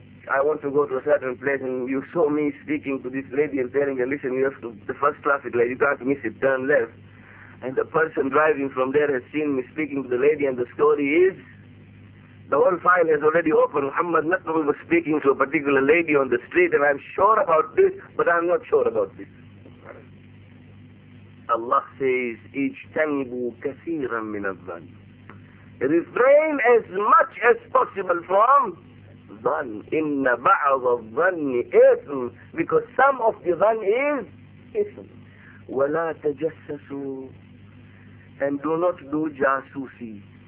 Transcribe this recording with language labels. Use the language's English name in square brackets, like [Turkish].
[English] I want to go to a certain place and you saw me speaking to this lady and telling her, listen, you have to, the first traffic light, you can't miss it, turn left. And the person driving from there has seen me speaking to the lady and the story is, the whole file has already opened. Muhammad Natnabul was speaking to a particular lady on the street and I'm sure about this, but I'm not sure about this. Allah says, [Arabic] اجتنبوا كثيرا من الظن. [English] Refrain as much as possible from ظن. [Arabic] إن بعض الظن إثم. [English] Because some of the ظن is إثم. [Arabic] ولا تجسسوا. [English] And do not do جاسوسي.